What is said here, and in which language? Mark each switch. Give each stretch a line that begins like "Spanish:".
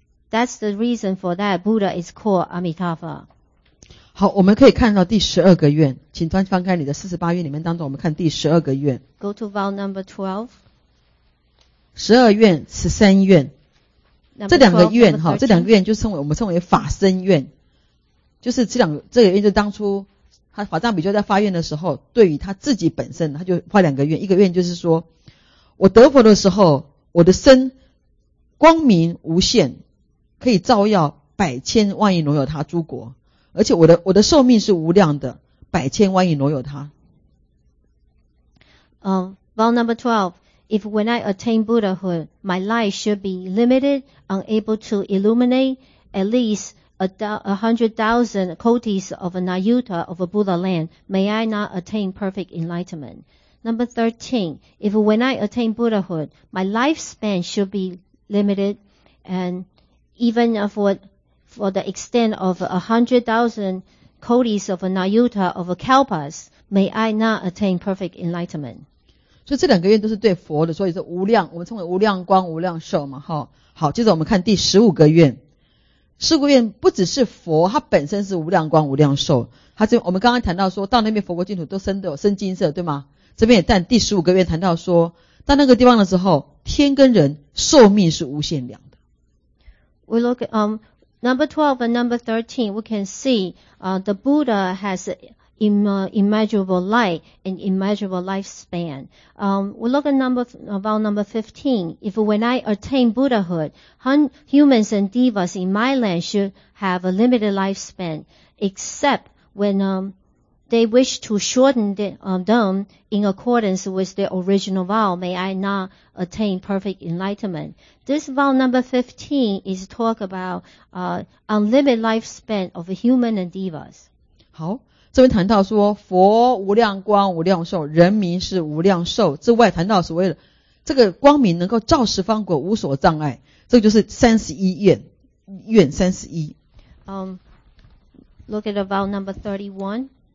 English: That's the reason for that Buddha is called Amitabha.
Chinese: 好，我们可以看到第十二个愿，请翻开你的四十八愿里面当中，我们看第十二个愿。
English: Go to vow number 12.
Chinese: 十二愿，十三愿，这两个愿哈，这两个愿就称为我们称为法身愿。就是这个愿，就是当初他法藏比丘在发愿的时候，对于他自己本身，他就发两个愿，一个愿就是说，我得佛的时候，我的身光明无限，可以照耀百千万亿挪有他诸国，而且我的寿命是无量的，百千万亿挪有他。
English: Vow number 12, if when I attain Buddhahood, my light should be limited, unable to illuminate at least. 100,000 kotis of a nayuta of a Buddha land, may I not attain perfect enlightenment? Number 13, if when I attain Buddhahood, my lifespan should be limited, and even for the extent of 100,000 kotis of a nayuta of a kalpas, may I not attain perfect enlightenment?
Chinese: 所以这两个愿都是对佛的，所以是无量，我们称为无量光、无量寿嘛，齁。好，接着我们看第十五个愿。十五个愿不只是佛，它本身是无量光、无量寿。它这我们刚刚谈到说，到那边佛国净土都生的生金色，对吗？这边也但第十五个愿谈到说，到那个地方的时候，天跟人寿命是无限量的。
English: We look at, number 12 and number 13, we can see, the Buddha has immeasurable light and immeasurable lifespan. We look at number 15. If when I attain Buddhahood, humans and devas in my land should have a limited lifespan, except when, they wish to shorten them in accordance with their original vow. May I not attain perfect enlightenment? This vow number 15 is talk about unlimited lifespan of human and devas.
Chinese: 好，这边谈到说佛无量光无量寿，人民是无量寿。之外谈到所谓的这个光明能够照十方国无所障碍，这就是三十一愿，愿三十一。
English: Look at vow number 31.